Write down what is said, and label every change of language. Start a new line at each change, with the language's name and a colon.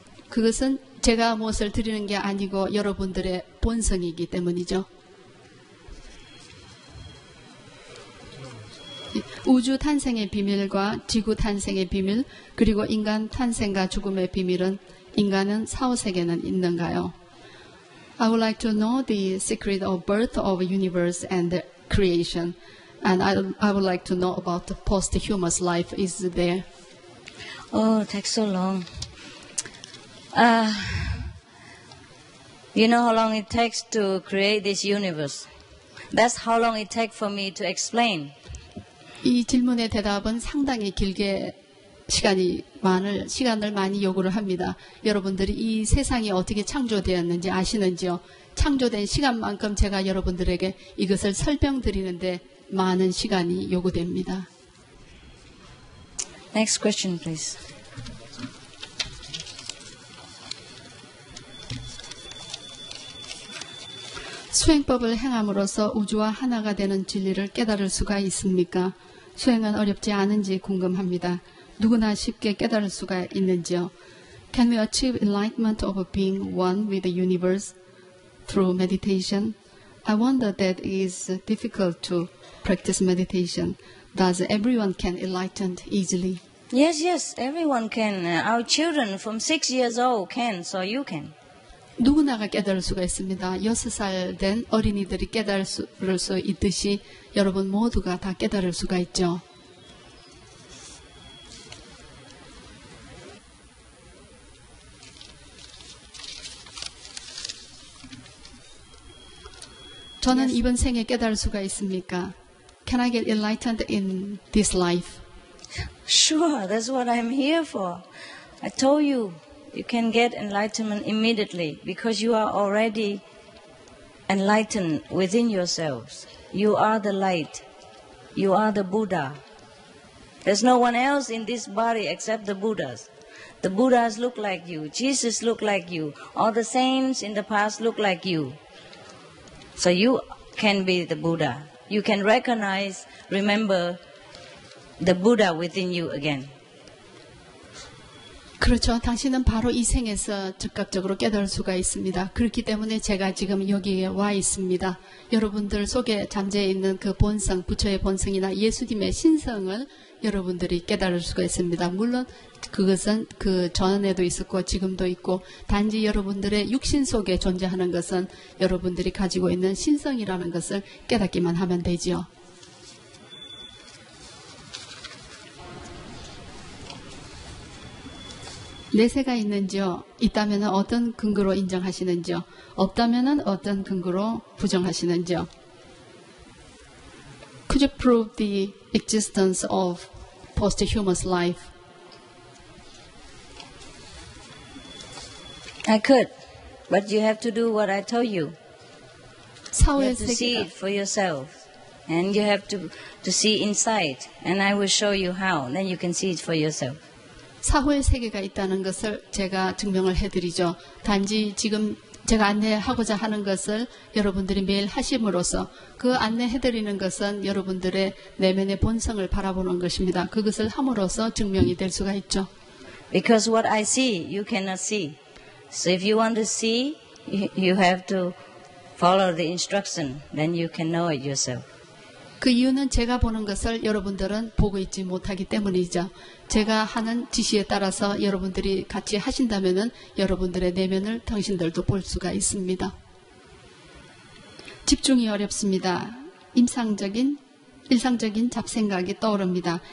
Korean: 그것은 제가 무엇을 드리는 게 아니고 여러분들의 본성이기 때문이죠. 우주 탄생의 비밀과 지구 탄생의 비밀, 그리고 인간 탄생과 죽음의 비밀은 인간은 사후세계는 있는가요?
English: I would like to know the secret of birth of universe and the creation. And I would like to know about the posthumous life. Is there? Oh, it takes so long. You know how long it takes to create this universe? That's how long it takes for me to explain.
Korean: 이 질문의 대답은 상당히 길게 시간을 많이 요구를 합니다. 여러분들이 이 세상이 어떻게 창조되었는지 아시는지요? 창조된 시간만큼 제가 여러분들에게 이것을 설명드리는데 많은 시간이 요구됩니다.
English: Next question, please.
Korean: Suing법을 행함으로써 우주와 하나가 되는 진리를 깨달을 수가 있습니까? 수행은 어렵지 않은지 궁금합니다. 누구나 쉽게 깨달을 수가 있는지요?
English: Can we achieve enlightenment of being one with the universe through meditation? I wonder that it is difficult to practice meditation. Does everyone can enlighten easily? Yes, yes, everyone can. Our children from 6 years old can, so you can.
Korean: 누구나가 깨달을 수가 있습니다. 6살 된 어린이들이 깨달을 수 있듯이 여러분 모두가 다 깨달을 수가 있죠.
English: Yes.
Korean: 저는 이번 생에 깨달을 수가 있습니까?
English: Can I get enlightened in this life? Sure, that's what I'm here for. I told you. You can get enlightenment immediately because you are already enlightened within yourselves. You are the light. You are the Buddha. There's no one else in this body except the Buddhas. The Buddhas look like you. Jesus look like you. All the saints in the past look like you. So you can be the Buddha. You can recognize, remember the Buddha within you again.
Korean: 그렇죠. 당신은 바로 이 생에서 즉각적으로 깨달을 수가 있습니다. 그렇기 때문에 제가 지금 여기에 와 있습니다. 여러분들 속에 잠재해 있는 그 본성, 부처의 본성이나 예수님의 신성을 여러분들이 깨달을 수가 있습니다. 물론 그것은 그 전에도 있었고 지금도 있고 단지 여러분들의 육신 속에 존재하는 것은 여러분들이 가지고 있는 신성이라는 것을 깨닫기만 하면 되지요.
English: Do
Korean: 내세가 있는지요? 있다면 어떤 근거로 인정하시는지요? 없다면 어떤 근거로 부정하시는지요?
English: Could you prove the existence of posthumous life? I could, but you have to do what I told you. You have to see it for yourself. And you have to see inside, and I will show you how. Then you can see it for yourself.
Korean: 사후의 세계가 있다는 것을 제가 증명을 해드리죠. 단지 지금 제가 안내하고자 하는 것을 여러분들이 매일 하심으로써 그 안내해드리는 것은 여러분들의 내면의 본성을 바라보는 것입니다. 그것을 함으로써 증명이 될 수가 있죠.
English: Because what I see, you cannot see. So if you want to see, you have to follow the instruction. Then you can know it yourself.
Korean: 그 이유는 제가 보는 것을 여러분들은 보고 있지 못하기 때문이죠. 제가 하는 지시에 따라서 여러분들이 같이 하신다면은 여러분들의 내면을 당신들도 볼 수가 있습니다. 집중이 어렵습니다. 일상적인 잡생각이 떠오릅니다.